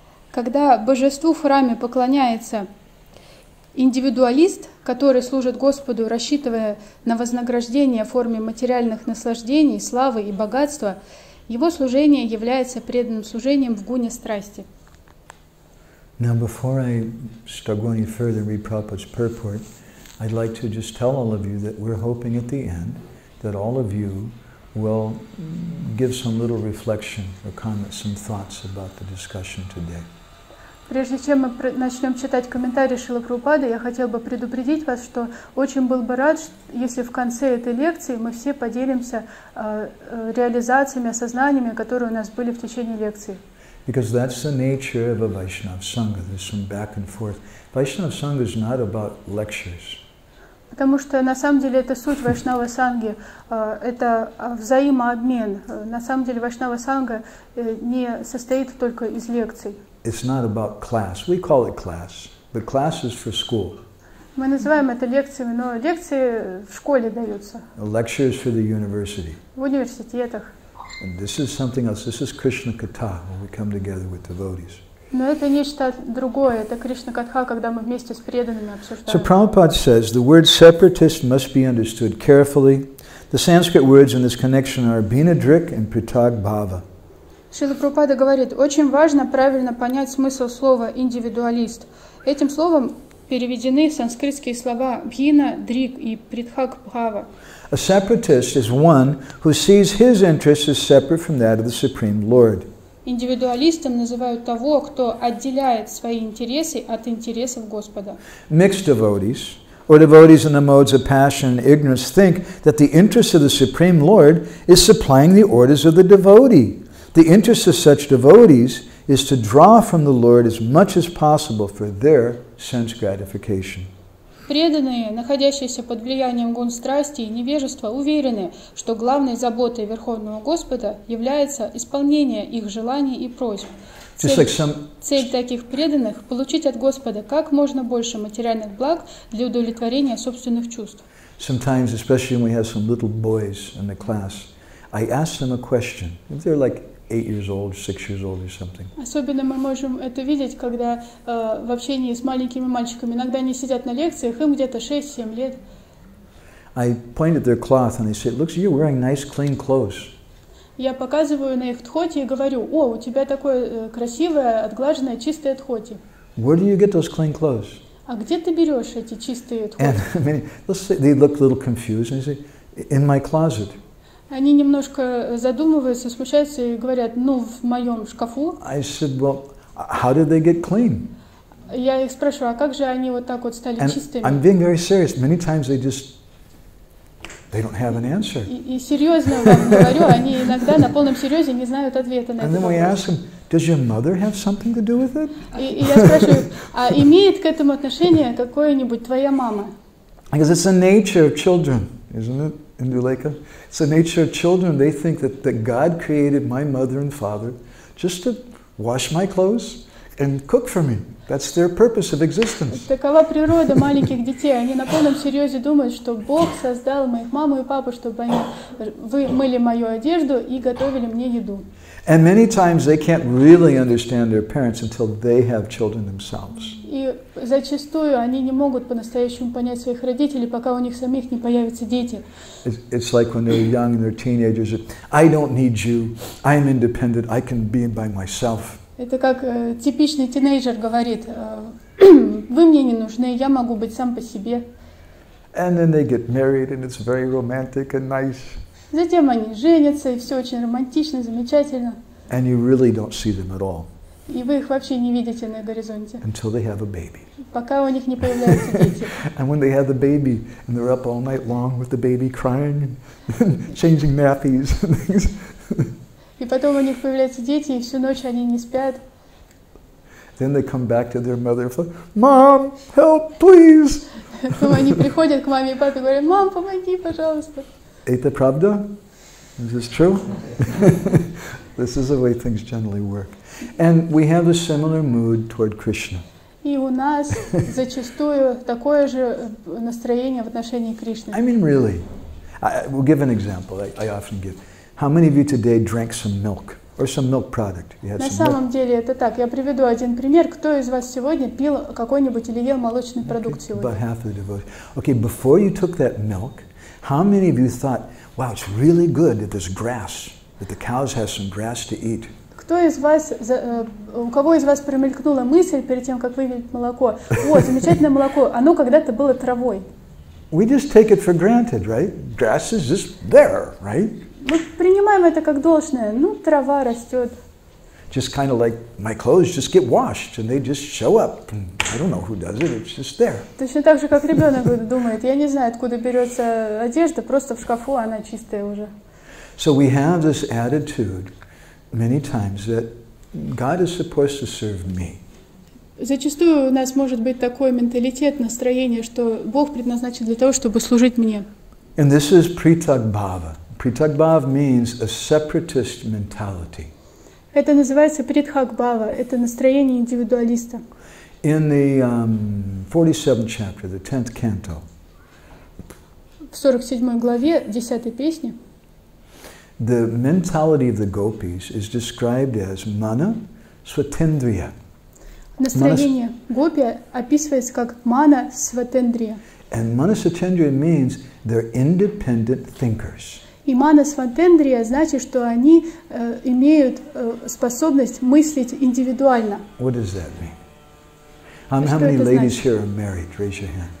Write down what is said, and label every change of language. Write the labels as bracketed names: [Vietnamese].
[Russian] Когда божеству в храме поклоняется Индивидуалист, который служит Господу, рассчитывая на вознаграждение в форме материальных наслаждений, славы и богатства, его служение является преданным служением в гуне страсти. [English] Now before I start going any further and read Prabhupada's purport, I'd like to just tell all of you that we're hoping at the end that all of you will give some little reflection or comment, some thoughts about the discussion today. [Russian] Прежде чем мы начнем читать комментарии Шрилы Прабхупады, я хотел бы предупредить вас, что очень был бы рад, если в конце этой лекции мы все поделимся реализациями, осознаниями, которые у нас были в течение лекции. [English] Because that's the nature of a Vaishnava Sangha. There's some back and forth. Vaishnava Sangha is not about lectures. [Russian] Потому что на самом деле это суть Вайшнава Санги. Это взаимообмен. На самом деле Вайшнава Санга не состоит только из лекций. [English] It's not about class. We call it class. But class is for school. [Russian] Мы называем это лекциями, но лекции в школе даются. [English] Lectures for the university. [Russian] В университетах. [English] And this is something else. This is Krishna Katha, when we come together with devotees. [Russian] Но это нечто другое. Это Кришна Катха, когда мы вместе с преданными обсуждаем. [English] So Prabhupada says, the word separatist must be understood carefully. The Sanskrit words in this connection are binadrik and pritag bhava. [Russian] Шрила Прабхупада говорит, очень важно правильно понять смысл слова индивидуалист. Этим словом переведены санскритские слова бхина, дрик и притхак бхава. [English] A separatist is one who sees his interests as separate from that of the Supreme Lord. [Russian] Индивидуалистом называют того, кто отделяет свои интересы от интересов Господа. [English] Mixed devotees, or devotees in the modes of passion and ignorance, think that the interest of the Supreme Lord is supplying the orders of the devotee. The interest of such devotees is to draw from the Lord as much as possible for their sense gratification. [Russian] Преданные, находящиеся под влиянием гун страсти и невежества, уверены, что главной заботой Верховного Господа является исполнение их желаний и просьб. Цель таких преданных – получить от Господа как можно больше материальных благ для удовлетворения собственных чувств. [English] Sometimes, especially when we have some little boys in the class, I ask them a question. If they're like 8 years old, 6 years old or something. [Russian] Особенно мы можем это видеть, когда в общении с маленькими мальчиками. Иногда они сидят на лекциях, им где-то 6-7 лет. [English] I point at their cloth and I say, "Looks, you're wearing nice clean clothes." [Russian] Я показываю на их тхоти и говорю, о, у тебя такое красивое, отглаженное, чистое тхоти. [English] Where do you get those clean clothes? [Russian] А где ты берешь эти чистые тхоти? [English] And I mean, they look a little confused and I say, "In my closet." [Russian] Они немножко задумываются, смущаются и говорят, ну, в моем шкафу. [English] I said, well, how did they get clean? [Russian] Я их спрашиваю, а как же они вот так вот стали [English] And [Russian] чистыми? [English] I'm being very serious. Many times they just, they don't have an answer. [Russian] И серьезно вам говорю, они иногда на полном серьезе не знают ответа на [English] And [Russian] этот [English] then [Russian] вопрос. [English] We ask them, does your mother have something to do with it? [Russian] И я спрашиваю, а имеет к этому отношение какое-нибудь твоя мама? [English] Because it's the nature of children, isn't it? Indulaika. It's the nature of children. They think that God created my mother and father just to wash my clothes and cook for me. That's their purpose of existence. [Russian] Такова природа маленьких детей. Они на полном серьезе думают, что Бог создал моих маму и папу, чтобы они вымыли мою одежду и готовили мне еду. [English] And many times they can't really understand their parents until they have children themselves. [Russian] И зачастую они не могут по-настоящему понять своих родителей, пока у них самих не появятся дети. [English] It's like when they're young and they're teenagers. I don't need you. I'm independent. I can be by myself. [Russian] Это как типичный тинейджер говорит, вы мне не нужны, я могу быть сам по себе. [English] And then they get married and it's very romantic and nice. [Russian] Затем они женятся, и все очень романтично, замечательно. [English] And you really don't see them at all. [Russian] И вы их вообще не видите на горизонте. [English] Until they have a baby. [Russian] Пока у них не появляются дети. [English] And when they have the baby, and they're up all night long with the baby crying, and changing nappies and things. [Russian] И потом у них появляются дети, и всю ночь они не спят. [English] Then they come back to their mother and say, Mom, help, please! [Russian] Потом они приходят к маме и папе и говорят, Мам, помоги, пожалуйста. Это правда? [English] Is this true? This is the way things generally work. And we have a similar mood toward Krishna. [Russian] И у нас зачастую такое же настроение в отношении Кришны. [English] I mean, really. I will give an example. I often give. How many of you today drank some milk? Or some milk product. [Russian] На самом деле это так. Я приведу один пример. Кто из вас сегодня пил какой-нибудь или ел молочный продукт сегодня? [English] About half of the devotees. Okay, before you took that milk, how many of you thought, wow, it's really good that there's grass, that the cows have some grass to eat? [Russian] Кто из вас, у кого из вас промелькнула мысль перед тем, как выпить молоко? О, замечательное молоко, оно когда-то было травой. [English] We just take it for granted, right? Grass is just there, right? [Russian] Мы принимаем это как должное. Ну, трава растет. [English] Just kind of like my clothes just get washed and they just show up. And I don't know who does it, it's just there. [Russian] Точно так же, как ребенок думает, я не знаю, откуда берется одежда, просто в шкафу она чистая уже. [English] So we have this attitude many times that God is supposed to serve me. [Russian] Зачастую у нас может быть такой менталитет, настроение, что Бог предназначен для того, чтобы служить мне. [English] And this is pritagbhava. Pritagbhava means a separatist mentality. [Russian] Это называется притхагбава, это настроение индивидуалиста. [English] In the 47th chapter, the 10th canto. [Russian] В 47 главе, 10 песни. [English] The mentality of the gopis is described as mana svatendriya. [Russian] Настроение гопи описывается как мана сватендрия. [English] And mana svatendriya means they're independent thinkers. [Russian] И мана сватендрия значит, что они имеют способность мыслить индивидуально. [English] What does that mean? How many ladies here are married? Raise your hand.